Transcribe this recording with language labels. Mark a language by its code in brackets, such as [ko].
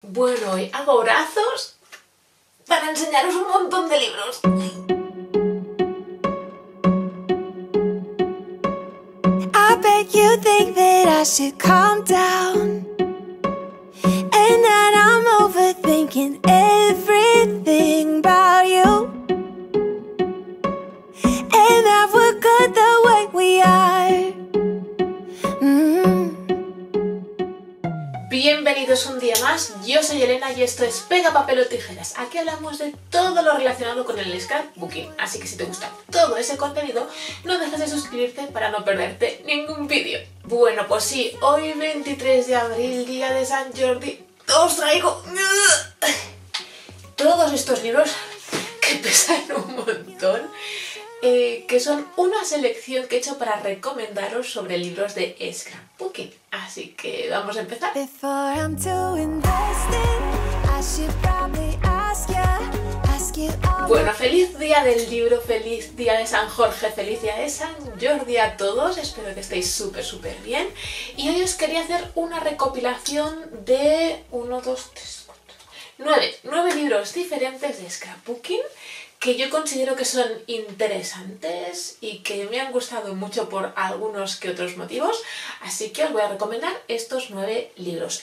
[es] Bueno, hoy hago brazos para enseñaros un montón de libros. [en] I bet you think that I should calm down and that I'm overthinking everything about you and that we're good the way we are. [es] Bienvenidos un día más, yo soy Elena y esto es Pega, Papel o Tijeras. Aquí hablamos de todo lo relacionado con el scrapbooking, así que si te gusta todo ese contenido, no dejes de suscribirte para no perderte ningún vídeo. Bueno, pues sí, hoy 23 de abril, día de San Jordi, os traigo todos estos libros que pesan un montón, que son una selección que he hecho para recomendaros sobre libros de scrapbooking. Así que vamos a empezar. [en] Before I'm too invested, I should probably ask ya, ask you all. [es] Bueno, feliz día del libro, feliz día de San Jorge, feliz día de San Jordi a todos. Espero que estéis súper, súper bien. Y hoy os quería hacer una recopilación de 1, 2, 3, 4, 9. 9 libros diferentes de scrapbooking que yo considero que son interesantes y que me han gustado mucho por algunos que otros motivos, así que os voy a recomendar estos 9 libros.